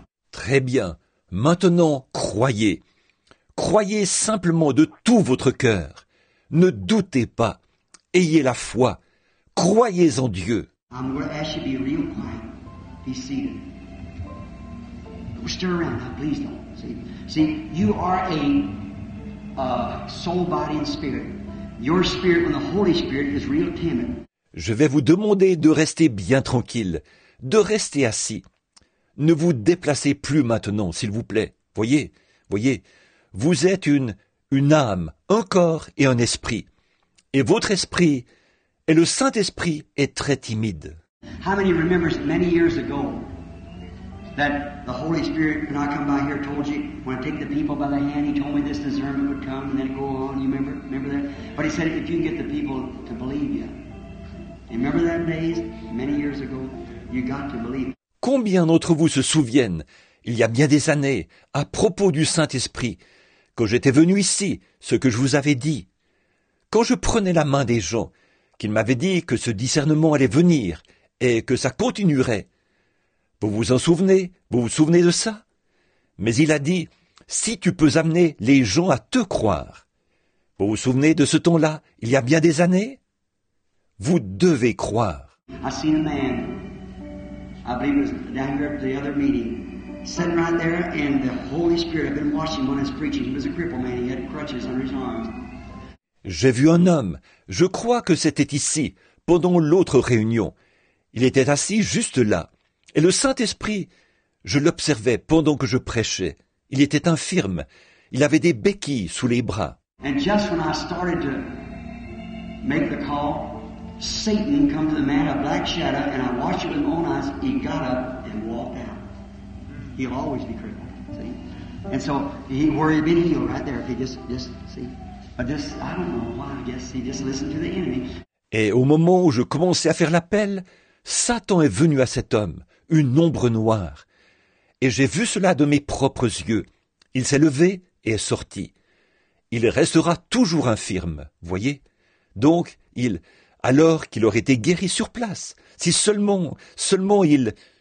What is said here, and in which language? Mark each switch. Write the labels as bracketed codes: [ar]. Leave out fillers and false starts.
[fr] Très bien. Maintenant, croyez. Croyez simplement de tout votre cœur. Ne doutez pas. Ayez la foi. Croyez en Dieu. [en] I'm going to ask you to be real quiet. Be seated. Don't stir around now, please don't. See, you are a soul, body and spirit. Your spirit, when the Holy Spirit is real timid. [fr] Je vais vous demander de rester bien tranquille, de rester assis. Ne vous déplacez plus maintenant, s'il vous plaît. Voyez, voyez, vous êtes une âme, un corps et un esprit. Et votre esprit, et le Saint-Esprit, est très timide. [en] How many remembers many years ago that the Holy Spirit, when I come by here, told you, when I take the people by the hand, he told me this discernment would come and then go on, you remember that? But he said, if you can get the people to believe you. Remember that day, many years ago, you got to believe. [fr] Combien d'entre vous se souviennent, il y a bien des années, à propos du Saint-Esprit, quand j'étais venu ici, ce que je vous avais dit, quand je prenais la main des gens, qu'ils m'avaient dit que ce discernement allait venir et que ça continuerait. Vous vous en souvenez? Vous vous souvenez de ça? Mais il a dit, si tu peux amener les gens à te croire. Vous vous souvenez de ce temps-là, il y a bien des années? Vous devez croire. [en] I seen a man, I believe it was down here at the other meeting, sitting right there, and the Holy Spirit had been watching when he was preaching. He was a crippled man, he had crutches under his arms. [fr] J'ai vu un homme, je crois que c'était ici, pendant l'autre réunion. Il était assis juste là. Et le Saint-Esprit, je l'observais pendant que je prêchais. Il était infirme, il avait des béquilles sous les bras. [en] And just when I started to make the call, Satan came to the man, a black shadow, and I watched it with my own eyes. He got up and walked out. He'll always be crippled, see? And so he worried, been healed right there. If he just see. But just, I don't know why, I guess he just listened to the enemy. [fr] Et au moment où je commençais à faire l'appel, Satan est venu à cet homme, une ombre noire. Et j'ai vu cela de mes propres yeux. Il s'est levé et est sorti. Il restera toujours infirme, voyez? Donc, alors qu'il aurait été guéri sur place, si seulement il...